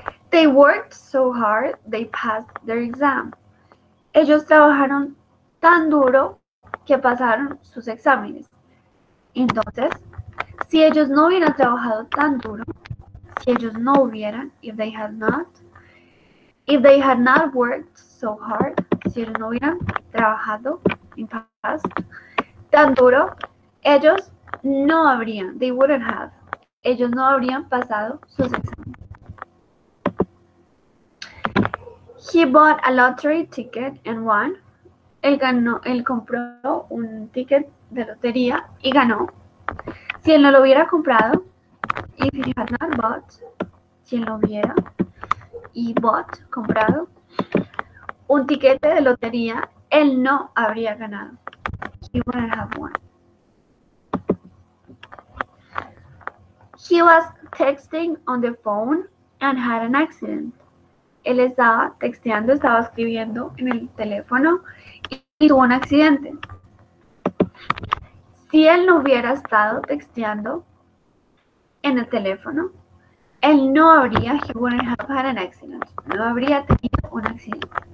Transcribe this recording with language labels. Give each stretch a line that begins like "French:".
English: They worked so hard, they passed their exam.
Spanish: Ellos trabajaron tan duro que pasaron sus exámenes. Entonces, si ellos no hubieran trabajado tan duro, si ellos no hubieran,
English: if they had not worked so hard,
Spanish: si ellos no hubieran trabajado
English: in past,
Spanish: tan duro, ellos no habrían,
English: they wouldn't have,
Spanish: ellos no habrían pasado sus exámenes.
English: He bought a lottery ticket and won.
Spanish: Él ganó, él compró un ticket de lotería y ganó. Si él no lo hubiera comprado,
English: if he had not bought,
Spanish: si él no hubiera y bought, comprado un ticket de lotería, él no habría ganado.
English: He wouldn't have won. He was texting on the phone and had an accident.
Spanish: Él estaba texteando, estaba escribiendo en el teléfono y tuvo un accidente. Si él no hubiera estado texteando en el teléfono, él no habría,
English: he wouldn't have had an accident,
Spanish: no habría tenido un accidente.